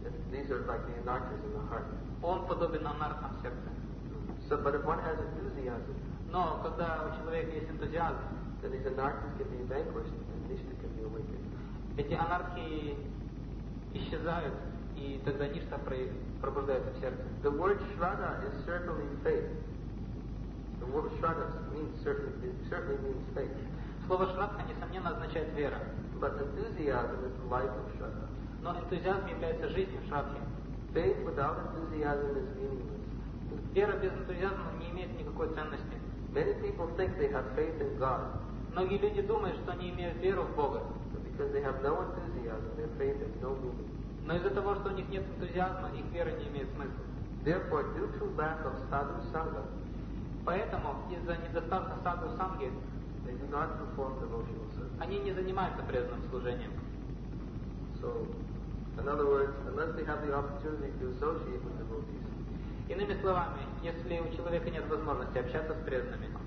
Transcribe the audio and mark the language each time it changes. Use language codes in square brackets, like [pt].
[en] These are like the anarchists in the heart. [ru] Он подобен анархам в сердце. [en] So, but if one has enthusiasm, [ru] но когда у человека есть энтузиазм, [en] then these anarchists can be vanquished and nishtha can be awakened. [ru] Эти анархи исчезают, и тогда ништа пробуждается в сердце. [en] The word shraddha is certainly faith. The word shraddha means certainly means faith. [ru] Слово шрадха, несомненно, означает вера. [en] But enthusiasm is the life of shraddha. [ru] Но энтузиазм является жизнью шрадхи. [en] Faith without enthusiasm is meaningless. [ru] Вера без энтузиазма не имеет никакой ценности. [en] Many people think they have faith in God. [ru] Многие люди думают, что они имеют веру в Бога. [en] But because they have no enthusiasm, their faith has no meaning. [ru] Но из-за того, что у них нет энтузиазма, их вера не имеет смысла. [en] Therefore, due to lack of sadhu sangha, [ru] поэтому из-за недостатка sadhu sangha, [en] they do not perform devotional service. [ru] Они не занимаются преданным служением. [en] So, in other words, unless they have the opportunity to associate with devotees, [ru] иными словами, если у человека нет возможности общаться с преданными,